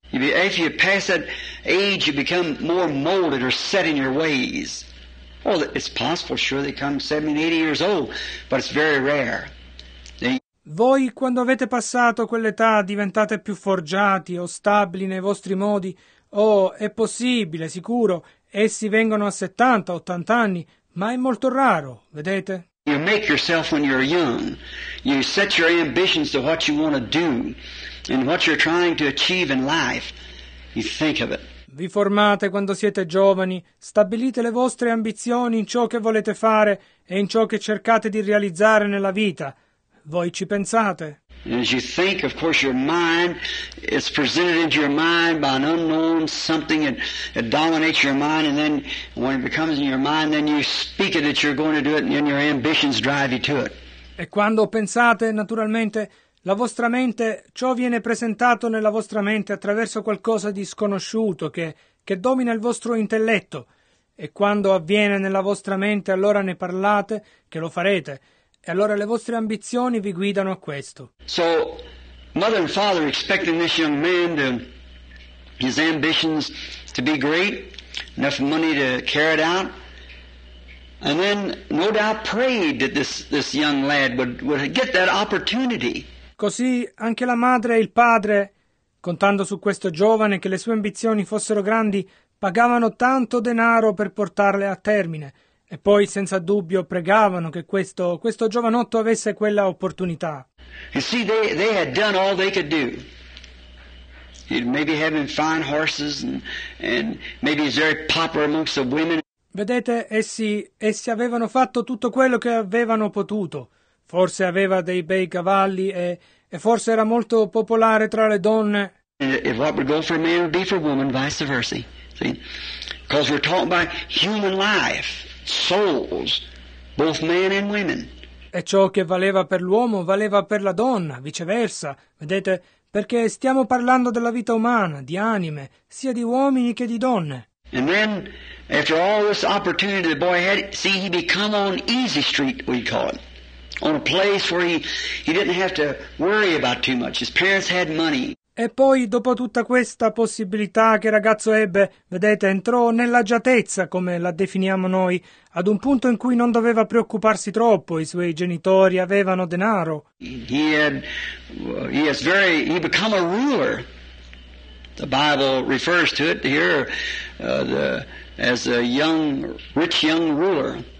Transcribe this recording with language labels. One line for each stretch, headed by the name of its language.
English: If you pass that age, you become more molded or set in your ways. Well, it's possible, sure, they come 70, 80 years old, but it's very rare.
Italian: Voi, quando avete passato quell'età, diventate più forgiati o stabili nei vostri modi? Oh, è possibile, sicuro, essi vengono a 70, 80 anni, ma è molto raro, vedete?
English: You make yourself when you're young. You set your ambitions to what you want to do and what you're trying to achieve in life. You think of it.
Italian: Vi formate quando siete giovani, stabilite le vostre ambizioni in ciò che volete fare e in ciò che cercate di realizzare nella vita. Voi ci pensate.
English: As you think, of course, your mind is presented into your mind by an unknown something that dominates your mind, and then when it becomes in your mind, then you speak it that you're going to do it, and your ambitions drive you to it.
Italian: E quando pensate, naturalmente, la vostra mente, ciò viene presentato nella vostra mente attraverso qualcosa di sconosciuto che domina il vostro intelletto. E quando avviene nella vostra mente, allora ne parlate, che lo farete. E allora le vostre ambizioni vi guidano a questo.
English: So, mother and father expecting this young man to, his ambitions to be great, enough money to carry it out, and then no doubt prayed that this young lad would get that opportunity.
Italian: Così anche la madre e il padre, contando su questo giovane che le sue ambizioni fossero grandi, pagavano tanto denaro per portarle a termine. E poi, senza dubbio, pregavano che questo giovanotto avesse quella opportunità.
English: You see, they had done all they could do. He'd maybe having fine horses and maybe he's very popular amongst the women.
Italian: Vedete, essi avevano fatto tutto quello che avevano potuto. Forse aveva dei bei cavalli e forse era molto popolare tra le donne.
English: If what would go for a man would be for a woman, vice versa. See? Because we're talking about human life. Souls, both men and women.
Italian: E ciò che valeva per l'uomo valeva per la donna, viceversa, vedete? Perché stiamo parlando della vita umana, di anime, sia di uomini che di donne.
English: And then, after all this opportunity the boy had, see, he become on easy street, we call it. On a place where he didn't have to worry about too much. His parents had money.
Italian: E poi, dopo tutta questa possibilità che il ragazzo ebbe, vedete, entrò nell'agiatezza, come la definiamo noi, ad un punto in cui non doveva preoccuparsi troppo, i suoi genitori avevano denaro.
English: He became a ruler. The Bible refers to it here as a young, rich young ruler.